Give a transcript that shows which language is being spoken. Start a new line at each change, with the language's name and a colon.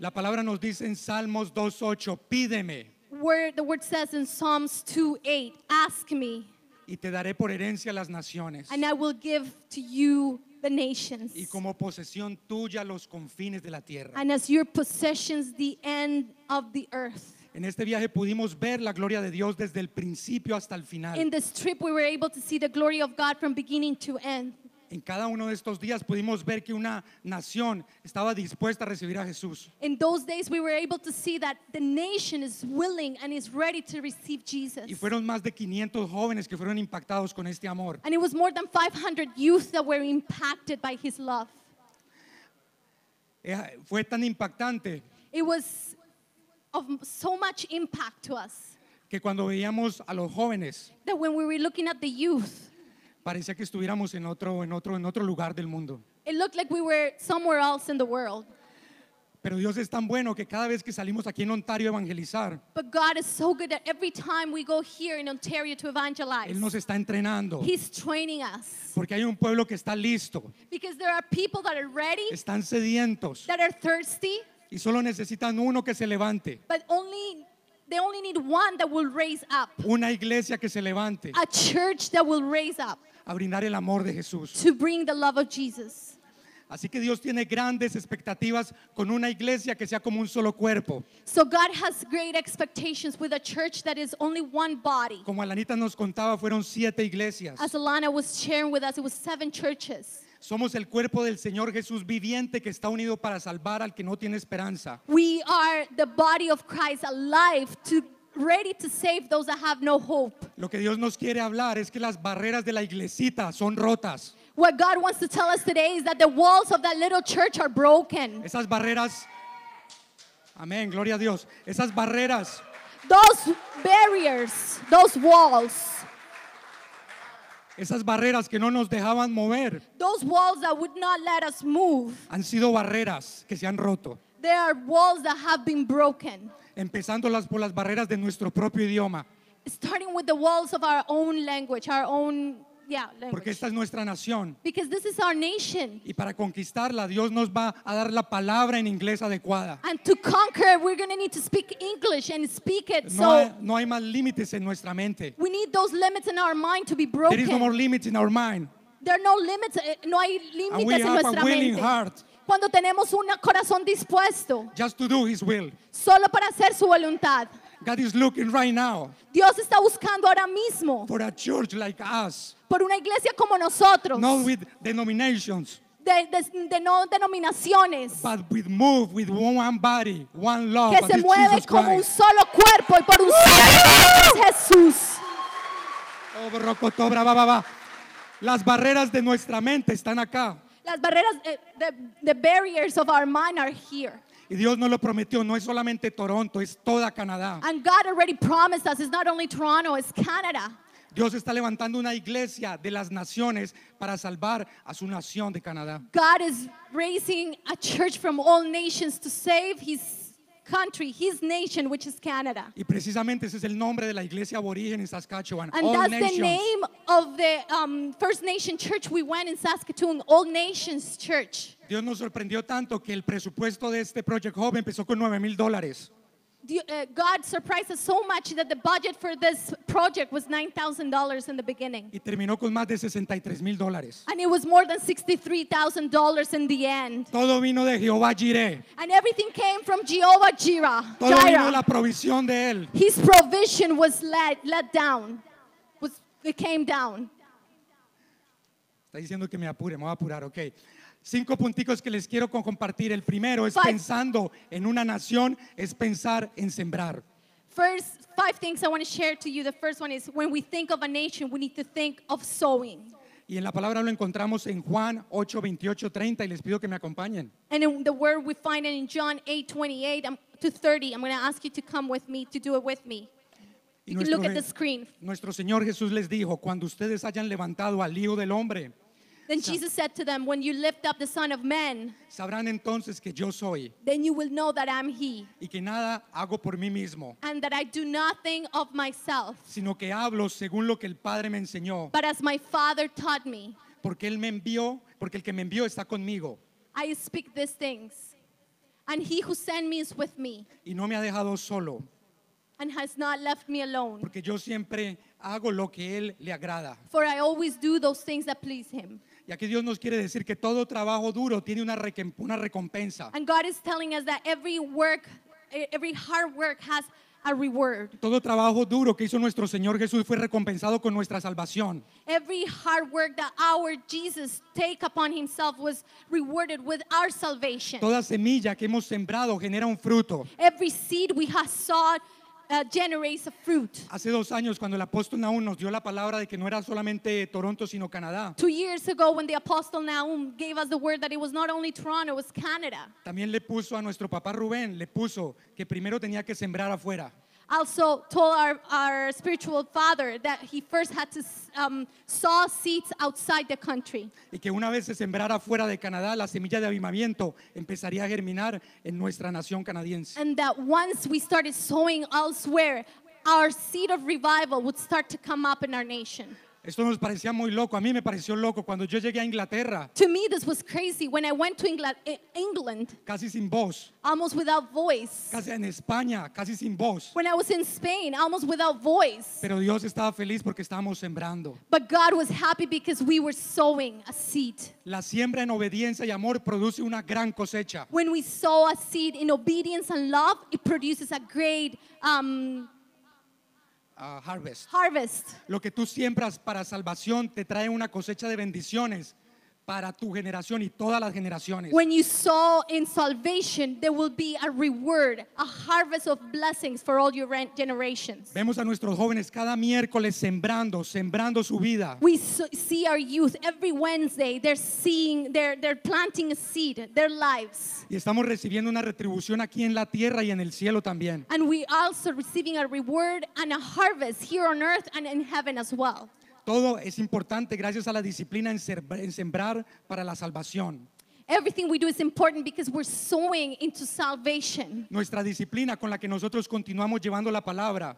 Spanish: La palabra nos dice en Salmos 2:8, pídeme.
English: Where the word says in Psalms 2:8, ask me.
Spanish: Y te daré por herencia las naciones.
English: And I will give to you the nations.
Spanish: Y como posesión tuya los confines de la tierra.
English: And as your possessions the end of the earth.
Spanish: En este viaje pudimos ver la gloria de Dios desde el principio hasta el final.
English: In this trip we were able to see the glory of God from beginning to end.
Spanish: En cada uno de estos días pudimos ver que una nación estaba dispuesta a recibir a Jesús.
English: In those days we were able to see that the nation is willing and is ready to receive Jesus.
Spanish: Y fueron más de 500 jóvenes que fueron impactados con este amor.
English: And it was more than 500 youth that were impacted by his love.
Spanish: Fue tan impactante.
English: It was of so much impact to us.
Spanish: Que cuando veíamos a los jóvenes.
English: That when we were looking at the youth.
Spanish: Parecía que estuviéramos en otro lugar del mundo.
English: It looked like we were somewhere else in the world.
Spanish: Pero Dios es tan bueno que cada vez que salimos aquí en Ontario a evangelizar.
English: But God is so good that every time we go here in Ontario to evangelize.
Spanish: Él nos está entrenando.
English: He's training us.
Spanish: Porque hay un pueblo que está listo.
English: Because there are people that are ready.
Spanish: Están sedientos.
English: That are thirsty.
Spanish: Y solo necesitan uno que se levante.
English: But only they only need one that will raise up.
Spanish: Una iglesia que se levante.
English: A church that will raise up.
Spanish: A brindar el amor de Jesús.
English: To bring the love of Jesus.
Spanish: Así que Dios tiene grandes expectativas con una iglesia que sea como un solo cuerpo.
English: So God has great expectations with a church that is only one body.
Spanish: Como Alanita nos contaba, fueron 7 iglesias.
English: As Alana was sharing with us, it was 7 churches.
Spanish: Somos el cuerpo del Señor Jesús viviente que está unido para salvar al que no tiene esperanza.
English: We are the body of Christ alive to ready to save those that have no hope.
Spanish: Lo que Dios nos quiere hablar es que las barreras de la iglesita son rotas.
English: What God wants to tell us today is that the walls of that little church are broken.
Spanish: Esas barreras. Amén, gloria a Dios. Esas barreras.
English: Those barriers, those walls.
Spanish: Esas barreras que no nos dejaban mover.
English: Those walls that would not let us move.
Spanish: Han sido barreras que se han roto.
English: They are walls that have been broken.
Spanish: Empezando por las barreras de nuestro propio idioma.
English: Starting with the walls of our own language, language.
Spanish: Porque esta es nuestra nación.
English: Because this is our nation.
Spanish: Y para conquistarla, Dios nos va a dar la palabra en inglés adecuada.
English: And to conquer, we're going to need to speak English and speak it.
Spanish: No, no hay más límites en nuestra mente.
English: We need those limits in our mind to be broken. There is no more limits in our mind. There are no limits.
Spanish: No hay límites en nuestra mente.
English: And we have a willing heart.
Spanish: Cuando tenemos un corazón dispuesto.
English: Just to do His will.
Spanish: Solo para hacer su voluntad.
English: God is looking right now.
Spanish: Dios está buscando ahora mismo.
English: For a church like us.
Spanish: Por una iglesia como nosotros.
English: Not with denominations.
Spanish: De no denominaciones.
English: But with move with one body, one love.
Spanish: Que se mueve como un solo cuerpo y por un solo es Jesús. Oh, rocotobra, va, va, va. Las barreras de nuestra mente están acá. Las barreras,
English: the barriers of our mind are here.
Spanish: Y Dios nos lo prometió, no es solamente Toronto, es toda Canadá.
English: And God already promised us, it's not only Toronto, it's Canada.
Spanish: Dios está levantando una iglesia de las naciones para salvar a su nación de Canadá.
English: God is raising a church from all nations to save his country, his nation, which is Canada.
Spanish: Y precisamente ese es el nombre de la iglesia aborigen en Saskatchewan.
English: And all that's nations. The name of the First Nation church we went in Saskatoon, All Nations Church.
Spanish: Dios nos sorprendió tanto que el presupuesto de este Project Hope empezó con $9,000.
English: God surprised us so much that the budget for this project was $9,000 in the beginning.
Spanish: Y terminó con más de $63,000.
English: And it was more than $63,000 in the end.
Spanish: Todo vino de Jehová Jireh.
English: And everything came from Jehovah Jireh.
Spanish: Todo vino la provisión de él.
English: His provision was let down. It came down.
Spanish: Está diciendo que me apure, me voy a apurar, okay. 5 punticos que les quiero compartir. El primero es pensando en una nación, es pensar en sembrar.
English: First, 5 things I want to share to you. The first one is when we think of a nation, we need to think of sowing.
Spanish: Y en la palabra lo encontramos en Juan 8:28-30 y les pido que me acompañen.
English: And in the word we find it in John 8:28-30. I'm going to ask you to come with me to do it with me. You can look at the screen.
Spanish: Nuestro Señor Jesús les dijo, cuando ustedes hayan levantado al Hijo del Hombre.
English: Then Jesus said to them, when you lift up the Son of Man,
Spanish: sabrán entonces que yo soy,
English: then you will know that I am He.
Spanish: Y que nada hago por mí mismo,
English: and that I do nothing of myself.
Spanish: Sino que hablo según lo que el Padre me enseñó,
English: but as my Father taught me.
Spanish: Porque el que me envió está conmigo.
English: I speak these things. And he who sent me is with me.
Spanish: Y no me ha dejado solo.
English: And has not left me alone.
Spanish: Porque yo siempre hago lo que él le agrada.
English: For I always do those things that please him.
Spanish: Y aquí Dios nos quiere decir que todo trabajo duro tiene una recompensa.
English: And God is telling us that every work, every hard work has a reward.
Spanish: Todo trabajo duro que hizo nuestro Señor Jesús fue recompensado con nuestra salvación.
English: Every hard work that our Jesus take upon himself was rewarded with our salvation.
Spanish: Toda semilla que hemos sembrado genera un fruto.
English: Every seed we have sowed generates a fruit.
Spanish: Hace dos años cuando el apóstol Nahum nos dio la palabra de que no era solamente Toronto sino Canadá.
English: 2 years ago when the apostle Nahum gave us the word that it was not only Toronto, it was Canada.
Spanish: También le puso a nuestro papá Rubén, le puso que primero tenía que sembrar afuera.
English: Also told our spiritual father that he first had to sow seeds outside the country.
Spanish: Y que una vez se sembrara fuera de Canadá, la semilla de avivamiento empezaría a germinar en nuestra nación canadiense.
English: And that once we started sowing elsewhere, our seed of revival would start to come up in our nation.
Spanish: Esto nos parecía muy loco. A mí me pareció loco cuando yo llegué a Inglaterra.
English: To me, this was crazy when I went to England.
Spanish: Casi sin voz.
English: Almost without voice.
Spanish: Casi en España, casi sin voz.
English: When I was in Spain, almost without voice.
Spanish: Pero Dios estaba feliz porque estábamos sembrando.
English: But God was happy because we were sowing a seed.
Spanish: La siembra en obediencia y amor produce una gran cosecha.
English: When we sow a seed in obedience and love, it produces a great harvest.
Spanish: Lo que tú siembras para salvación te trae una cosecha de bendiciones para tu generación y todas las generaciones.
English: When you sow in salvation, there will be a reward, a harvest of blessings for all your generations.
Spanish: Vemos a nuestros jóvenes cada miércoles sembrando su vida.
English: We see our youth every Wednesday. They're planting a seed, their lives.
Spanish: Y estamos recibiendo una retribución aquí en la tierra y en el cielo también.
English: And we also receiving a reward and a harvest here on earth and in heaven as well.
Spanish: Todo es importante gracias a la disciplina en sembrar para la salvación.
English: Everything we do is important because we're sowing into salvation.
Spanish: Nuestra disciplina con la que nosotros continuamos llevando la palabra.